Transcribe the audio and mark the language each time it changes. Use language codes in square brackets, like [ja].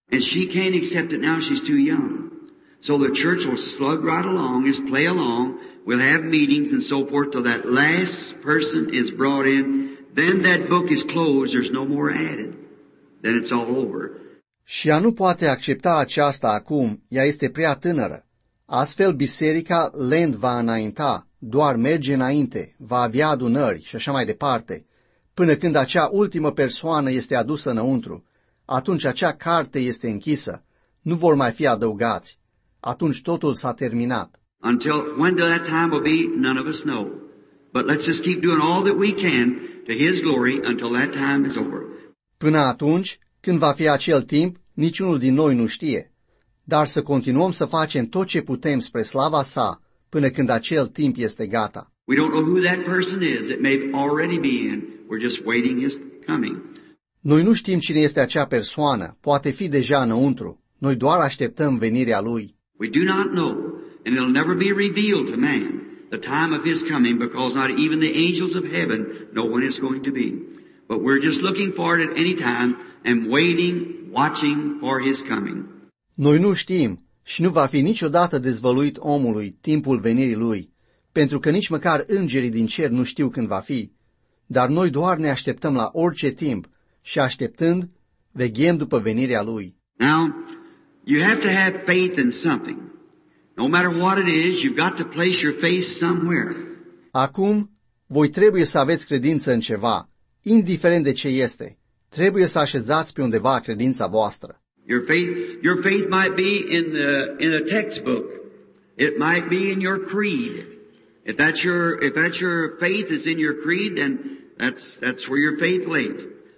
[en] And she can't accept it now, she's too young. So the church will slug right along, just play along, we'll have meetings and so forth till that last person is brought in. Then that book is closed, there's no more added. Then it's all over. [ro] Și ea nu poate accepta aceasta acum, ea este prea tânără. Astfel biserica lent va înainta, doar merge înainte, va avea adunări și așa mai departe, până când acea ultimă persoană este adusă înăuntru. Atunci acea carte este închisă, nu vor mai fi adăugați. Atunci totul s-a terminat. [en] Until when that time will be, none of us know. But let's just keep doing all that we can to His glory until that time is over. [ro] Până atunci, când va fi acel timp, niciunul din noi nu știe. Dar să continuăm să facem tot ce putem spre slava Sa, până când acel timp este gata. [en] We don't know who that person is. It may already be in. We're just waiting His coming. [ro] Noi nu știm cine este acea persoană, poate fi deja înăuntru. Noi doar așteptăm venirea Lui. [en] We do not know, and it'll never be revealed to man, the time of His coming, because not even the angels of heaven know when it's going to be. But we're just looking for it at any time and waiting, watching for His coming. [ro] Noi nu știm și nu va fi niciodată dezvăluit omului timpul venirii Lui, pentru că nici măcar îngerii din cer nu știu când va fi. Dar noi doar ne așteptăm la orice timp, și așteptând, veghem după venirea Lui. [en] Now, you have to have faith in something. No matter what it is, you've got to place your faith somewhere. [ro] Acum, voi trebuie să aveți credință în ceva, indiferent de ce este. Trebuie să așezați pe undeva credința voastră. [en] Your faith might be in a textbook. It might be in your creed. If that's your faith is in your creed, then that's where your faith lays.